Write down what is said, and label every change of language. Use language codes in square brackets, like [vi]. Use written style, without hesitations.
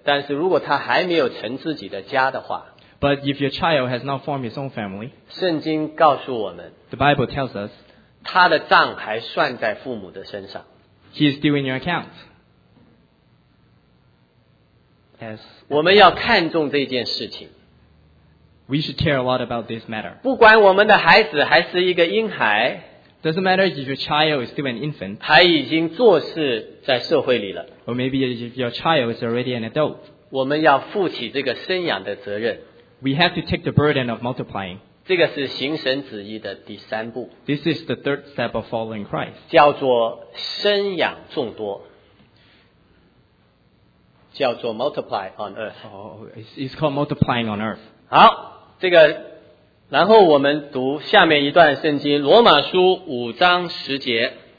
[zh] 但是如果他还没有成自己的家的话 [en] ，but if your child has not formed his own family, [zh] 圣经告诉我们 [en] ，the Bible tells us, [zh] 他的账还算在父母的身上 [en] ，he is still in your account. as we should care a lot about this matter. Doesn't matter if your child is still an infant, or maybe if your child is already an adult. We have to take the burden of multiplying. This is the third step of following Christ. [zh] 叫做 [en] multiply on earth. It's called multiplying on earth. [zh] 好, 这个, 然后我们读下面一段圣经, 罗马书5章10节。